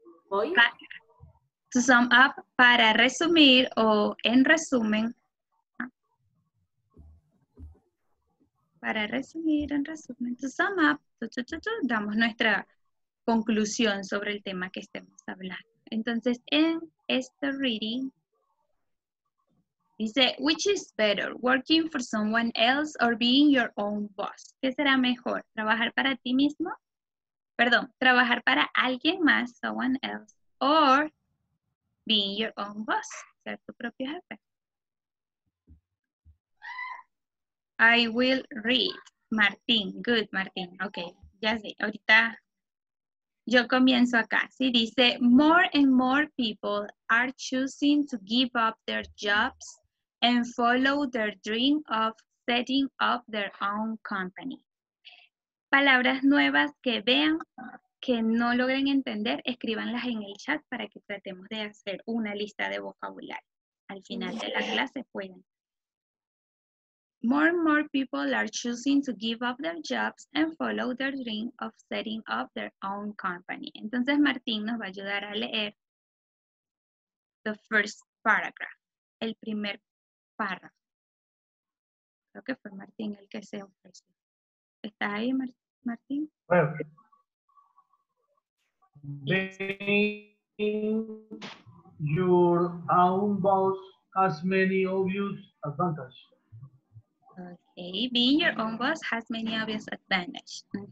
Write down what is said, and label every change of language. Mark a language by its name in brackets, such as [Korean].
[Spanish] ¿Voy? [English] To sum up, [Spanish] para resumir o en resumen. Para resumir, en resumen. [English] To sum up, [Spanish] damos nuestra conclusión sobre el tema que estemos hablando. Entonces, en este reading, dice, [English] which is better, working for someone else or being your own boss? [Spanish] ¿Qué será mejor, trabajar para ti mismo? Perdón, trabajar para alguien más, [English] someone else, or being your own boss, [Spanish] ser tu propio jefe. [English] I will read, Martín, good, Martín, okay, [Spanish] ya sé, ahorita... Yo comienzo acá, sí, dice, [English] more and more people are choosing to give up their jobs and follow their dream of setting up their own company. [Spanish] Palabras nuevas que vean, que no logren entender, escríbanlas en el chat para que tratemos de hacer una lista de vocabulario. Al final de la clase pueden. [English] More and more people are choosing to give up their jobs and follow their dream of setting up their own company. [Spanish] Entonces, Martín nos va a ayudar a leer [English] the first paragraph, [Spanish] el primer párrafo. Creo que fue Martín el que se ofreció. ¿Estás ahí, Martín? [English] Being your own boss has many obvious advantages. Okay, being your own boss has many obvious advantages.